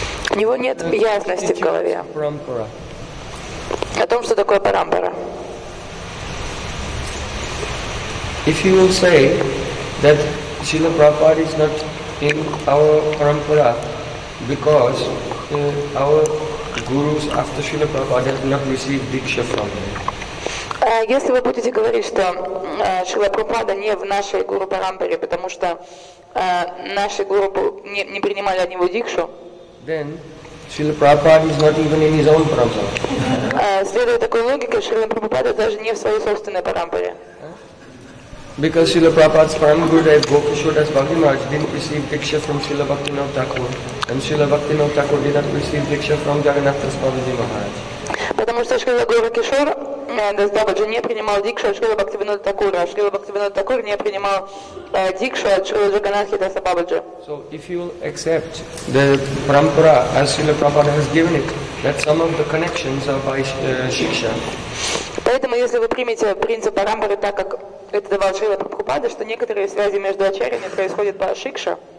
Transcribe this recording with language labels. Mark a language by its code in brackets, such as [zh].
[ru] У него нет ясности в голове. Парампара. О том, что такое парампара. [en] If you will say that Srila Prabhupada is not in our parampara because our gurus after Srila Prabhupada have not received diksha from him. [ru] Если вы будете говорить, что Шрила Прабхупада не в нашей гуру парампаре, потому что наши гуру не принимали от него дикшу, [en] then Шрила Прабхупада is not even in his own parampara. [ru] Следуя такой логике, Шрила Прабхупада даже не в своей собственной парампаре. [en] Because Srila Prabhupada's Param Gurudev Gokushodas Bhakti Maharaj didn't receive diksha from Srila Bhaktivinoda Thakur, and Srila Bhaktivinoda Thakur did not receive diksha from Jagannath Das Babaji Maharaj. [ru] Потому что Шрила Гуру Кишор Дас Бабаджи не принимал дикшу от Шрила Бхактивинода Такура, а Шрила Бхактивинода Такура не принимал дикшу от Шрила Джаганнатхи Даса Бабаджи. [en] So if you will accept the Parampara as Srila Prabhupada has given it, that some of the connections are by Shiksha. [ru] Поэтому если вы примете принцип Парампары так, как это давал Шрила Прабхупада, что некоторые связи между ачарьями происходят по Шикша,